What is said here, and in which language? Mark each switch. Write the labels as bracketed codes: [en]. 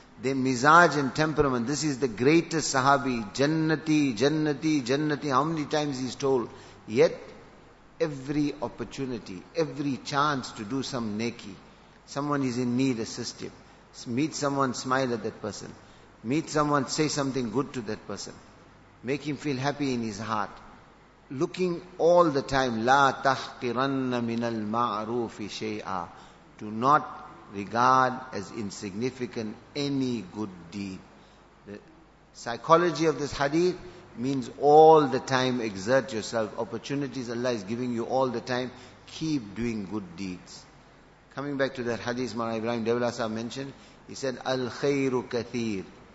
[en] Their mizaj and temperament, this is the greatest sahabi, jannati, jannati, jannati, how many times he's told. Yet, every opportunity, every chance to do some neki, someone is in need, assist him. Meet someone, smile at that person. Meet someone, say something good to that person. Make him feel happy in his heart. Looking all the time, [ar] لا تحقرن من المعروف شيئا. [en] Do not regard as insignificant any good deed. The psychology of this hadith means all the time exert yourself. Opportunities Allah is giving you all the time. Keep doing good deeds. Coming back to that hadith, Maulana Ibrahim Dawla Sahib mentioned, he said, [ar] Al khayru kathir.